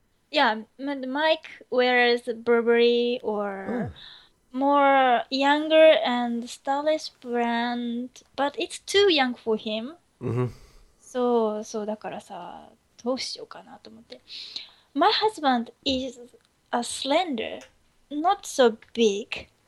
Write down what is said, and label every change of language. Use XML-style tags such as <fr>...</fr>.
<en>Yeah, Mike wears Burberry or more younger and stylish brand, but it's too young for him. Mm-hmm. So,</en> <ja>だからさ、どうしようかなと思って。</ja> <en>My husband is a slender, not so big.</en>